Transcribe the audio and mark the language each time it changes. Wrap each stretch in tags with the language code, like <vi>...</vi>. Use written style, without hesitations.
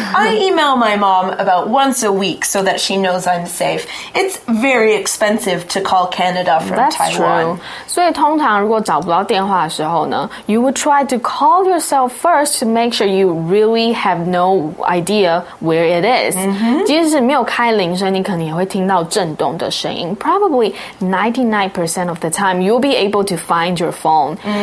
<en>I email my mom about once a week so that she knows I'm safe. It's very expensive to call Canada from That's Taiwan. That's true.</en> <zh>所以通常如果找不到电话的时候呢</zh> <en>，you would try to call yourself first to make sure you really have no idea where it is.</en> <zh>即使没有开铃声，你可能也会听到震动的声音。</zh> <en>Probably 99% of the time, you'll be able to find your phone.</en>